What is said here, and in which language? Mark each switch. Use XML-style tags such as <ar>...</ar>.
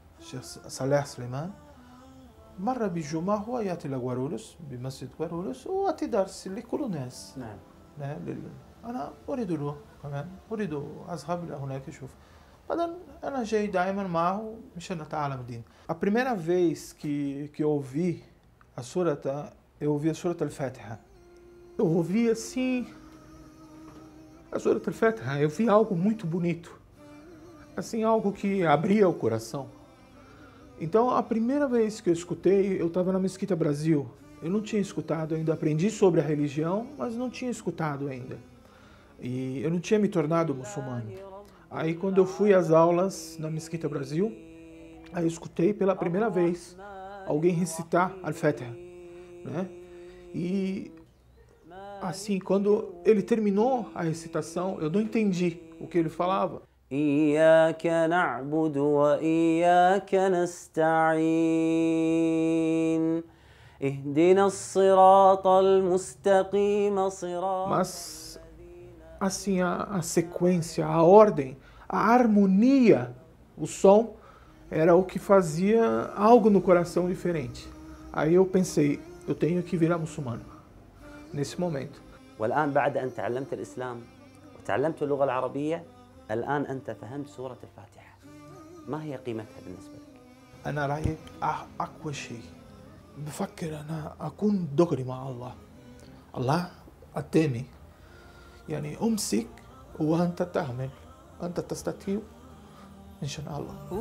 <ar>الشيخ صلاح سليمان مرة بالجمعة هو يأتي لغوارولوس بمسجد غوارولوس وأتي درس لكل الناس. أنا أريد له كمان، أريد أذهب هناك أشوف. بعدين أنا جاي دائما معه مشان أتعلم الدين.</ar> <pt>A primeira vez que eu ouvi a surata, eu ouvi a surata al-Fatiha. Eu ouvi assim a surata al-Fatiha. Eu vi algo muito bonito. Assim, algo que abria o coração. Então, a primeira vez que eu escutei, eu estava na Mesquita Brasil. Eu não tinha escutado ainda, aprendi sobre a religião, mas não tinha escutado ainda. E eu não tinha me tornado muçulmano. Aí, quando eu fui às aulas na Mesquita Brasil, aí eu escutei pela primeira vez alguém recitar Al-Fatiha, né? E, assim, quando ele terminou a recitação, eu não entendi o que ele falava.</pt> <ar>إياك نعبد وإياك نستعين اهدنا الصراط المستقيم صراط</ar> <pt>Mas assim a sequência, a ordem, a harmonia, o som era o que fazia algo no coração diferente. Aí eu pensei, eu tenho que virar muçulmano nesse momento.</pt> <ar>والآن بعد أن تعلمت الإسلام وتعلمت اللغة العربية الآن أنت فهمت سورة الفاتحة، ما هي قيمتها بالنسبة لك؟ أنا رأيي أقوى شيء، بفكر أنا أكون دغري مع الله، الله أتمي، يعني أمسك وأنت تعمل، أنت تستطيع إن شاء الله.</ar>